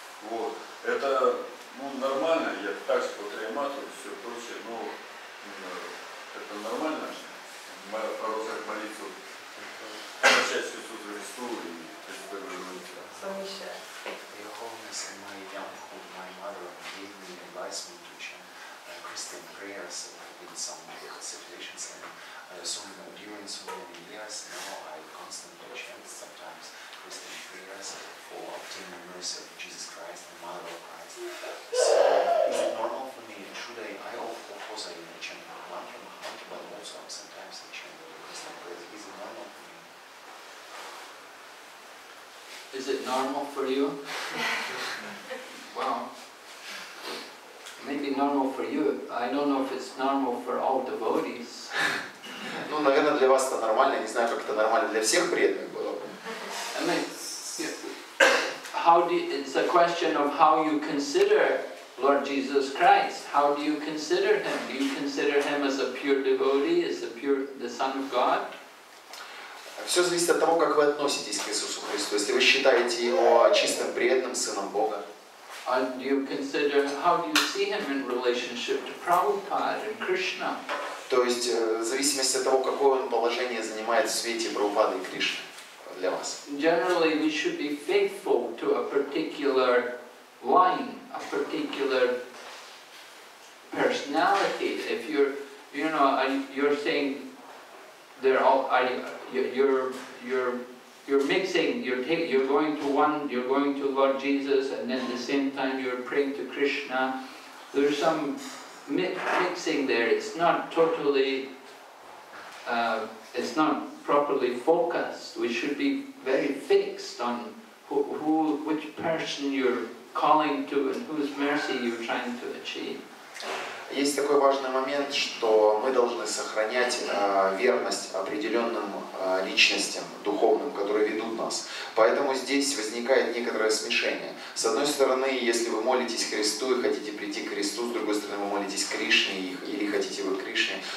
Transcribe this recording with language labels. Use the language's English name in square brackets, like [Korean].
[Russian] Вот. Это нормально, я так же потреблю все прочее, но это нормально, продолжать молиться, прощать Иисуса Христу и себе поговорится. Совмещать. [English] Your Holiness and my younghood, my mother gave me advice me to chant Christian prayers in some situations. Some endurance for many years now. I constantly chant sometimes Christian prayers for obtaining mercy of Jesus Christ, the Mother of Christ. So is it normal for me? Should I of course I chant the mantra Mahamantra, but also sometimes I chant Christian prayers. Is it normal for me? Is it normal for you? Well, maybe normal for you. I don't know if it's normal for all devotees. [Russian] Ну, наверное, для вас это нормально. Не знаю, как это нормально для всех преданных было. [English] It's a question of how you consider Lord Jesus Christ. How do you consider him? Do you consider him as a pure devotee, as a pure the Son of God? [Russian] Все зависит от того, как вы относитесь к Иисусу Христу. Если вы считаете его чистым преданным сыном Бога. [English] And do you consider how do you see him in relationship to Prabhupada and Krishna? [Russian] То есть в зависимости от того, какое он положение занимает в свете Прабхупады и Кришны для вас. [English] Generally we should be faithful to a particular line, a particular personality. If you're saying they're all you're going to Lord Jesus and then at the same time you're praying to Krishna. There's some mixing there. It's not totally, it's not properly focused. We should be very fixed on which person you're calling to and whose mercy you're trying to achieve. [Russian] Есть такой важный момент, что мы должны сохранять верность определенным личностям духовным, которые ведут нас. Поэтому здесь возникает некоторое смешение. С одной стороны, если вы молитесь Христу и хотите прийти к Христу, с другой стороны, вы молитесь Кришне или хотите быть Кришне.